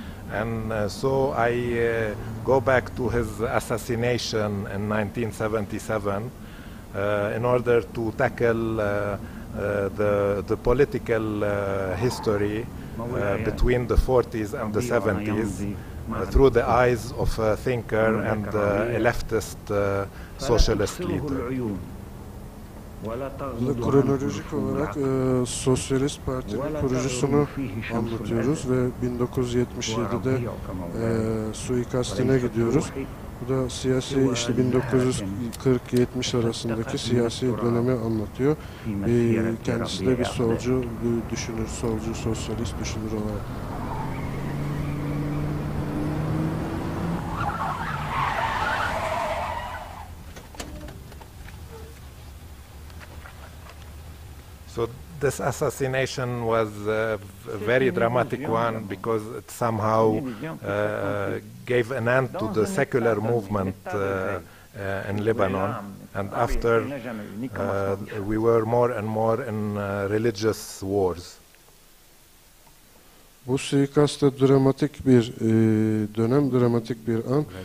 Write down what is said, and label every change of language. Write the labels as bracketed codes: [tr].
[en] And so I go back to his assassination in 1977 in order to tackle the political history between the 40s and the 70s. Through the eyes of a thinker and a leftist socialist leader. [tr] Kronolojik olarak Sosyalist Parti'nin kurucusunu anlatıyoruz ve 1977'de suikastine gidiyoruz. Bu da siyasi, işte 1940-70 arasındaki siyasi dönemi anlatıyor. Kendisi de bir solcu, bir düşünür, solcu, sosyalist düşünür olarak. [en] So this assassination was a very dramatic one because it somehow gave an end to the secular movement in Lebanon. And after, we were more and more in religious wars. [tr] Bu suikast da dramatik bir dönem, dramatik bir an.